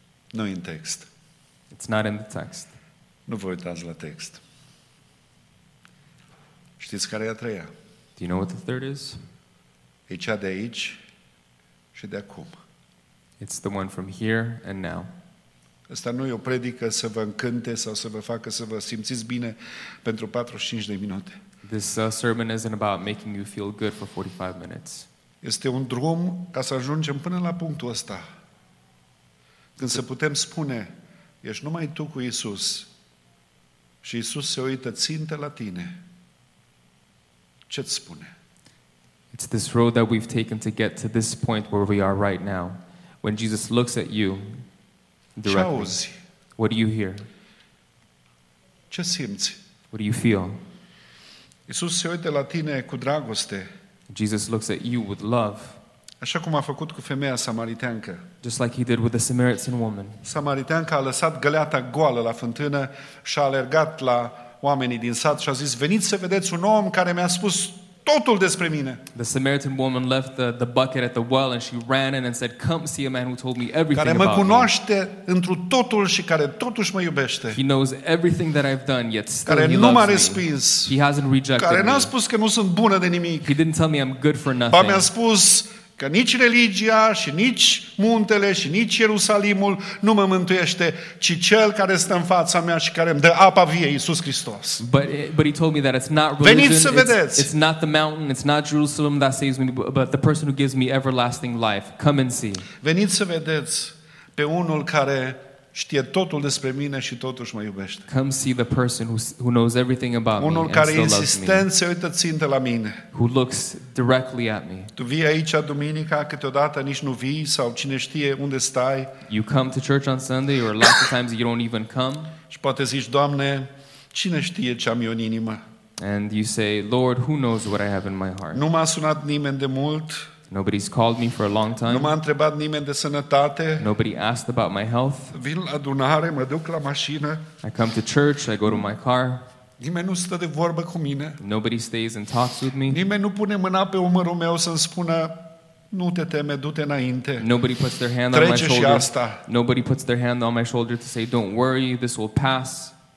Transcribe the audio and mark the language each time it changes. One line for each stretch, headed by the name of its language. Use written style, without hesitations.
Romanian: Nu în text.
English: It's not in the text.
Romanian: Nu vă uitați la text. Știți care e a treia?
English: Do you know what the third is?
Romanian: E cea de aici. Și de acum.
English: It's the one from here and now.
Romanian: Asta nu e o predică să vă încânte sau să vă facă să vă simțiți bine pentru 45 de minute.
English: This sermon isn't about making you feel good for 45 minutes.
Romanian: Este un drum ca să ajungem până la punctul ăsta. Când se putem spune, ești numai tu cu Iisus și Iisus se uită țintă la tine. Ce-ți spune?
English: It's this road that we've taken to get to this point where we are right now. When Jesus looks at you directly, what do you hear?
Romanian: Ce simți?
English: What do you feel?
Romanian: Iisus se uită la tine cu dragoste.
English: Jesus looks at you with love.
Romanian: Așa cum a făcut cu femeia samariteancă.
English: Just like he did with the Samaritan woman.
Romanian: Samariteanca a lăsat găleata goală la fântână și a alergat la oamenii din sat și a zis, veniți să vedeți un om care mi-a spus totul despre mine.
English: The Samaritan woman left the bucket at the well and she ran in and said, come see a man who told me everything about me.
Romanian: Care mă cunoaște întru totul și care totuși mă iubește.
English: He knows everything that I've done, yet still
Romanian: care
English: he loves me.
Romanian: Care nu m-a respins.
English: He hasn't rejected
Romanian: care
English: me.
Romanian: Care n-a spus că nu sunt bună de nimic.
English: He didn't tell me I'm good for nothing.
Romanian: Mi-a spus că nici religia și nici muntele și nici Ierusalimul nu mă mântuiește, ci cel care stă în fața mea și care îmi dă apa vie, Iisus Hristos.
English: But he told me that it's not religion.
Romanian: Veniți să vedeți.
English: It's not the mountain, it's not Jerusalem that saves me, but the person who gives me everlasting life. Come and see.
Romanian: Veniți să vedeți pe unul care știe totul despre mine și totuși mă iubește.
English: Come see the person who knows everything about
Romanian: unul
English: me.
Romanian: Unul care insistent se uită țintă la mine.
English: Who looks directly at me.
Romanian: Tu vii aici duminica, câteodată nici nu vii sau cine știe unde stai.
English: You come to church on Sunday or lots of times you don't even come.
Romanian: Și poate zici, Doamne, cine știe ce am eu în inimă?
English: And you say, Lord, who knows what I have in my heart?
Romanian: Nu m-a sunat nimeni de mult.
English: Nobody's called me for a long time.
Romanian: Nu m-a întrebat nimeni de sănătate.
English: Nobody asked about my health.
Romanian: Vin la adunare, mă duc la mașină.
English: I come to church, I go to my car.
Romanian: Nimeni nu stă de vorbă cu mine.
English: Nobody stays and talks with me.
Romanian: Nimeni nu pune mâna pe umărul meu să-mi spună, nu te teme, du-te înainte.
English: Nobody puts their hand
Romanian: trece
English: on my shoulder.
Romanian: Și asta.
English: Nobody puts their hand on my shoulder to say, don't worry, this will pass.